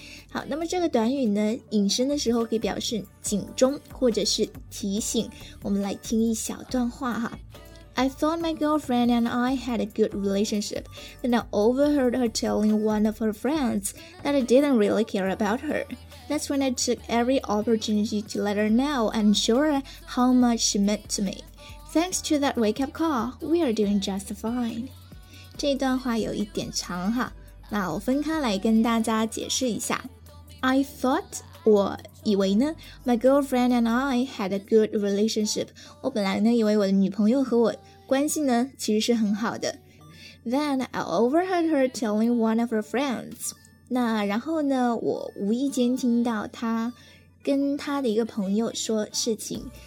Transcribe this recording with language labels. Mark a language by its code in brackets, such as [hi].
[zh] 好，那么这个短语呢，引申的时候可以表示警钟或者是提醒。我们来听一小段话哈。 [en] I thought my girlfriend and I had a good relationship, then I overheard her telling one of her friends that I didn't really care about her. That's when I took every opportunity to let her know and show her how much she meant to me. Thanks to that wake up call, we are doing just fine. [zh] 这段话有一点长哈，那我分开来跟大家解释一下。 [en] I thought, [zh] 我以为呢 [en] ,my girlfriend and I had a good relationship. [zh] 我本来呢以为我的女朋友和我关系呢其实是很好的。 [en] Then I overheard her telling one of her friends. [zh] 那然后呢我无意间听到她跟她的一个朋友说事情。